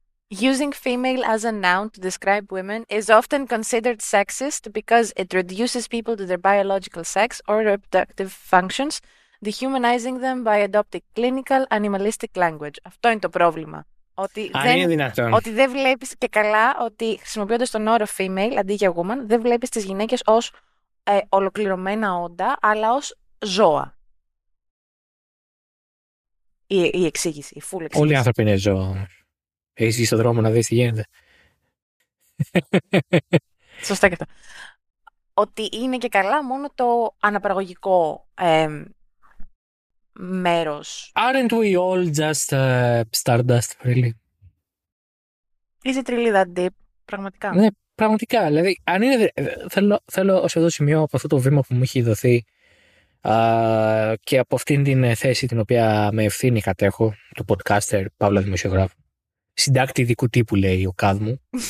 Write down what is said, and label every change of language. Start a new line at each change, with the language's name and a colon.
English: Using female as a noun to describe women is often considered sexist because it reduces people to their biological sex or reproductive functions Dehumanizing them by adopting clinical animalistic language.
Greek: Αυτό είναι το πρόβλημα. Ότι Αν δεν, είναι δυνατόν. ότι δεν βλέπεις και καλά ότι χρησιμοποιώντας τον όρο female αντί για woman, δεν βλέπεις τις γυναίκες ως ολοκληρωμένα όντα, αλλά ως ζώα. Η εξήγηση, η full Όλοι οι εξήγηση. άνθρωποι είναι ζώα. Έχεις βγει στον δρόμο να δεις τι γίνεται. Σωστά και αυτό. Ότι είναι και καλά μόνο το αναπαραγωγικό μέρος.
English: Aren't we all just stardust, really?
Greek: Είσαι τριλίδα, deep. Πραγματικά. Ναι, πραγματικά. Δηλαδή, αν είναι, θέλω ως εδώ σημείο από αυτό το βήμα που μου έχει δοθεί και από αυτήν την θέση την οποία με ευθύνη κατέχω, του podcaster, παύλα δημοσιογράφου, συντάκτη ειδικού τύπου, λέει ο Κάδ μου.